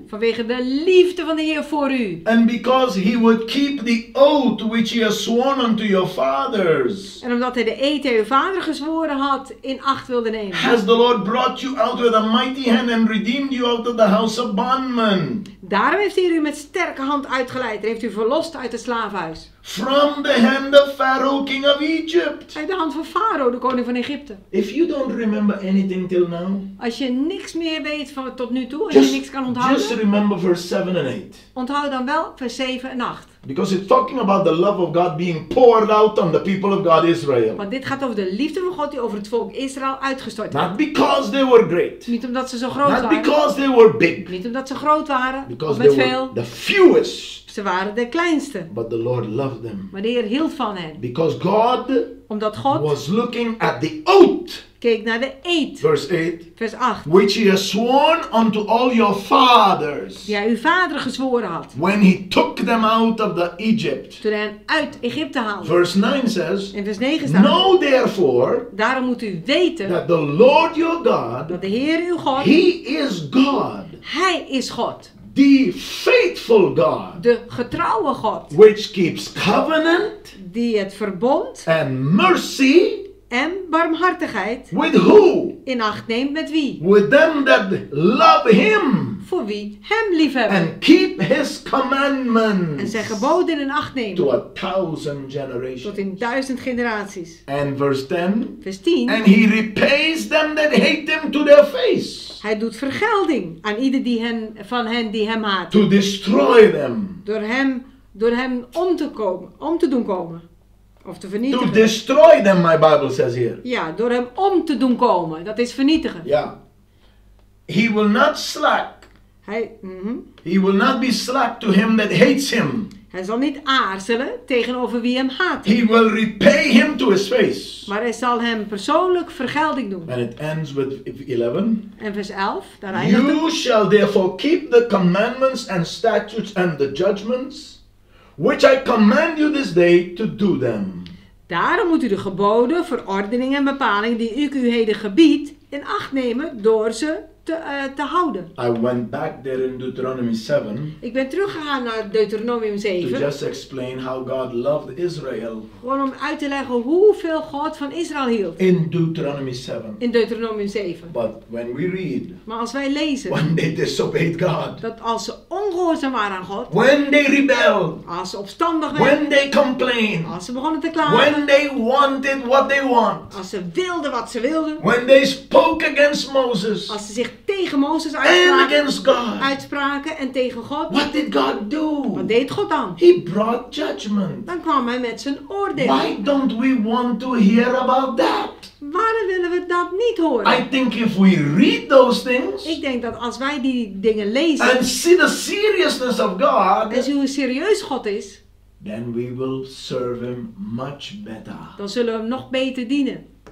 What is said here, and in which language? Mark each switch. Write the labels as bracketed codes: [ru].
[nl] Vanwege de liefde van de Heer voor u. [en] And because he would keep the oath which he has sworn unto your fathers. [nl] En omdat hij de eed die uw vader gezworen had in acht wilde nemen. [en] Has the Lord brought you out with a mighty hand and redeemed you out of the house of bondmen. [nl] Daarom heeft hij u met sterke hand uitgeleid en heeft u verlost uit het slavenhuis. [en] From the hand of Pharaoh, king of Egypt. [nl] Uit de hand van Farao, de koning van Egypte. [en] If you don't remember anything till now. [nl] Als je niks meer weet van tot nu toe, als je niks kan onthouden. [en] Just remember verse 7 and 8. [nl] Onthoud dan wel vers 7 en 8. [en] Because it's talking about the love of God being poured out on the people of God Israel. [nl] Want dit gaat over de liefde van God die over het volk Israël uitgestort werd. [en] Not because they were great. [nl] Niet omdat ze zo groot waren. [en] Not because they were big. [nl] Niet omdat ze groot waren. [en] Because [nl] met [en] they [nl] veel. [en] Were the fewest. [nl] Ze waren de kleinste. [en] But the Lord loved them. [nl] Maar de Heer hield van hen. [en] Because God, [nl] omdat God [en] was looking at the oath. [nl] Keek naar de eed. [en] Verse 8. [nl] Vers 8. [en] Which he has sworn unto all your fathers. [nl] Die hij uw vader gezworen had. [en] When he took them out of the Egypt. [nl] Toen hij hen uit Egypte haalde. [en] Verse 9 says. [nl] In vers 9 staat. [en] Know therefore. [nl] Daarom moet u weten. [en] That the Lord your God. [nl] Dat de Heer uw God. [en] He is God. [nl] Hij is God. [en] The faithful God. [nl] De getrouwe God. [en] Which keeps covenant. [nl] Die het verbond. [en] And mercy. [nl] En barmhartigheid. [en] With who? [nl] In acht neemt met wie? [en] With them that love him. [nl] Voor wie hem liefhebben. [en] And keep his commandments. [nl] En zijn geboden in acht nemen. [en] To a thousand generations. [nl] Tot in duizend generaties. [en] And verse 10. [nl] Vers 10. [en] And he repays them that hate him to their face. [nl] Hij doet vergelding aan ieder die hen, van hen die hem haat. [en] To destroy them. [nl] Door hem om te doen komen. Of te vernietigen. [en] To destroy them, my Bible says here. [nl] Ja, door hem om te doen komen. Dat is vernietigen. [en] Ja. He will not slack. He will not be slack to him that hates him. [nl] Hij zal niet aarzelen tegenover wie hem haat. [en] He will repay him to his face. [nl] Maar hij zal hem persoonlijk vergelding doen. [en] And it ends with 11. [nl] En vers 11. Daar eindigt. [en] You shall therefore keep the commandments and statutes and the judgments. Which I command you this day to do them. [nl] Daarom moet u de geboden, verordeningen en bepalingen die ik u heden gebied in acht nemen door ze te houden. [en] I went back there in Deuteronomy 7. [nl] Ik ben teruggegaan naar Deuteronomium 7. [en] To just explain how God loved Israel. [nl] Gewoon om uit te leggen hoeveel God van Israël hield. [en] In Deuteronomy 7. [nl] In Deuteronomium 7. [en] But when we read. [nl] Maar als wij lezen. [en] When they disobeyed God. [nl] Dat als ze ongehoorzaam waren aan God. [en] When they rebelled. [nl] Als ze opstandig [en] werden. When they complained. [nl] Als ze begonnen te klagen. [en] When they wanted what they want. [nl] Als ze wilden wat ze wilden. [en] When they spoke against Moses. [nl] Als ze zich tegen Mozes uitspraken en tegen God. [en] What did God do? [nl] Wat deed God dan? [en] He brought judgment. [nl] Dan kwam hij met zijn oordeel. [en] Why don't we want to hear about that? [nl] Waarom willen we dat niet horen? [en] I think if we read those things, [nl] ik denk dat als wij die dingen lezen [en] and see the seriousness of God, [nl] en zien hoe serieus God is, [en] then we will serve him much better. [nl] Dan zullen we hem nog beter dienen.